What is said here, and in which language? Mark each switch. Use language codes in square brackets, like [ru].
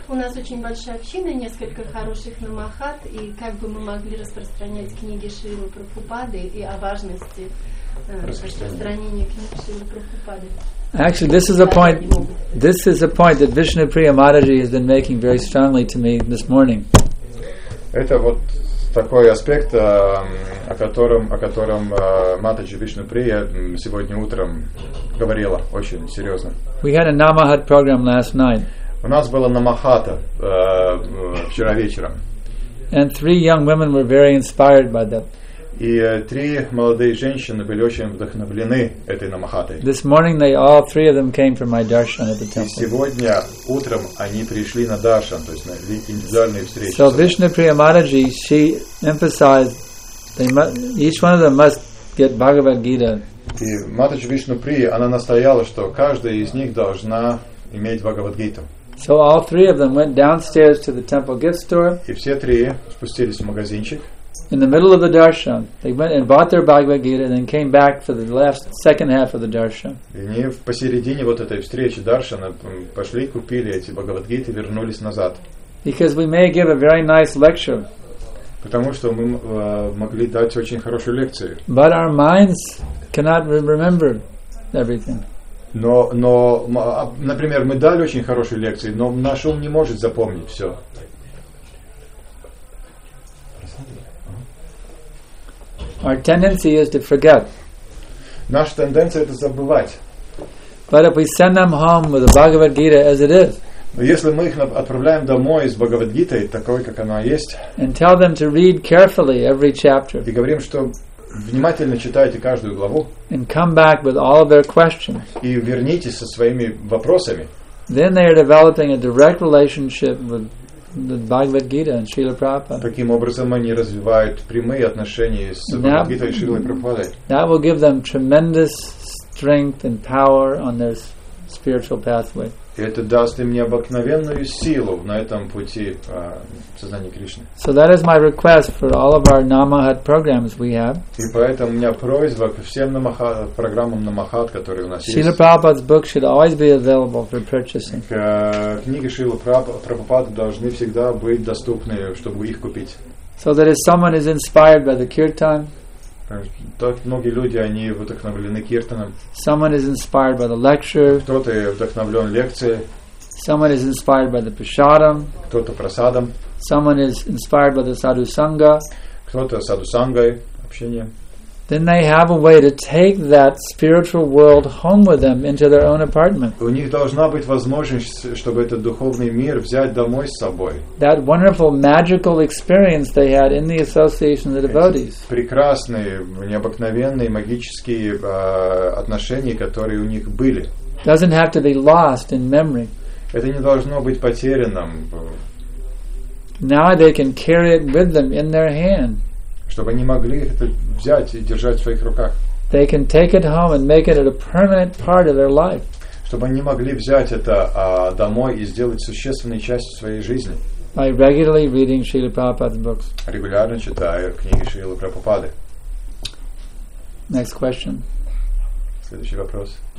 [ru] У нас очень большая община, несколько хороших намахат, и как бы мы могли распространять книги Шрилы Прабхупады и о важности распространения книг Шрилы Прабхупады. [en] Actually, this is a point that Vishnu Priya Mataji has been making very strongly to me this morning. [ru] Это вот такой аспект, о котором Матаджи Вишну Прия сегодня утром говорила очень серьезно. [en] We had a Namahat program last night. [ru] У нас была намахата вчера вечером. [en] And three young women were very inspired by that. [ru] И три молодые женщины были очень вдохновлены этой намахатой. [en] This morning they all three of them came for my darshan at the temple. [ru] И сегодня утром они пришли на даршан, то есть на индивидуальные встречи. [en] So Vishnu Priya Mataji, she emphasized each one of them must get Bhagavad Gita. [ru] И Матаджи Вишну Прия, она настояла, что каждая из них должна иметь Бхагавад Гиту. [en] So all three of them went downstairs to the temple gift store. [ru] И все три спустились в магазинчик. [en] In the middle of the darshan, they went and bought their Bhagavad Gita, and then came back for the last second half of the darshan. [ru] Они в посередине вот этой встречи даршана пошли, купили эти Бхагавад Гиты, вернулись назад. [en] Because we may give a very nice lecture. [ru] Потому что мы могли дать очень хорошую лекцию. [en] But our minds cannot remember everything. [ru] Но, например, мы дали очень хорошую лекцию, но наш ум не может запомнить все. [en] Our tendency is to forget. [ru] Наша тенденция это забывать. [en] But if we send them home with the Bhagavad Gita as it is. [ru] Но если мы их отправляем домой с Бхагавад Гитой такой, как она есть. [en] And tell them to read carefully every chapter. [ru] И говорим, что внимательно читайте каждую главу. [en] And come back with all of their questions. [ru] И вернитесь со своими вопросами. [en] Then they are developing a direct relationship with the Bhagavad Gita and Srila Prabhupada. [ru] Таким образом они развивают прямые отношения с Бхагавад Гитой и Шрилой Прабхупадой. [en] That will give them tremendous strength and power on their spiritual pathway. [ru] Это даст им необыкновенную силу на этом пути сознания Кришны. [en] So that is my request for all of our Namahat programs we have. [ru] И поэтому у меня просьба ко всем намахат программам намахат, которые у нас есть. [en] Srila Prabhupada's book should always be available for purchasing. [ru] Книги Шрилы Прабхупады должны всегда быть доступны, чтобы их купить. [en] So that if someone is inspired by the kirtan. [ru] Так многие люди, они вдохновлены киртаном. [en] Someone is inspired by the lecture. [ru] Кто-то вдохновлен лекцией. [en] Someone is inspired by the prasadam. [ru] Кто-то прасадом. [en] Someone is inspired by the sadhu sangha. [ru] Кто-то саду сангой, общением. [en] Then they have a way to take that spiritual world home with them into their own apartment. [ru] У них должна быть возможность, чтобы этот духовный мир взять домой с собой. [en] That wonderful magical experience they had in the association of the devotees. [ru] Прекрасные, необыкновенные магические отношения, которые у них были. [en] Doesn't have to be lost in memory. [ru] Это не должно быть потерянным. [en] Now they can carry it with them in their hand. [ru] Чтобы они могли это взять и держать в своих руках. [en] They can take it home and make it a permanent part of their life. [ru] Чтобы они могли взять это домой и сделать существенной частью своей жизни. [en] By regularly reading Srila Prabhupada's books. [ru] Регулярно читая книги Шрилы Прабхупады. [en] Next question. [ru] Следующий вопрос.